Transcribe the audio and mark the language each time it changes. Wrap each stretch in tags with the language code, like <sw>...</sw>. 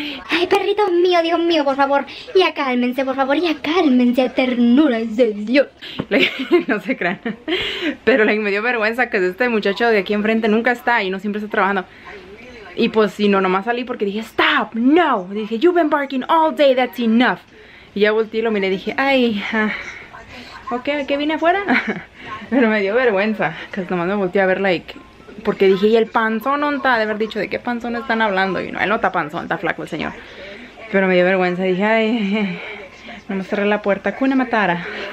<es>Ay, perrito mío, Dios mío, por favor. Ya cálmense, por favor, ya cálmense. A ternura es de Dios. No se crean. Pero like, me dio vergüenza que este muchacho de aquí enfrente nunca está y no siempre está trabajando. Y pues si no, nomás salí porque dije, stop, no. Y dije,</es> <en>you've been barking all day, that's enough.</en> <es>Y ya volteé y lo miré y dije, ay, ok, ¿a qué vine afuera? Pero me dio vergüenza, que nomás me volteé a ver, like, porque dije, ¿y el panzón no está? De haber dicho, ¿de qué panzón están hablando? Y no, él no está panzón, está flaco el señor. Pero me dio vergüenza, dije, ay, no me cerré la puerta, Kuna Matara.</es>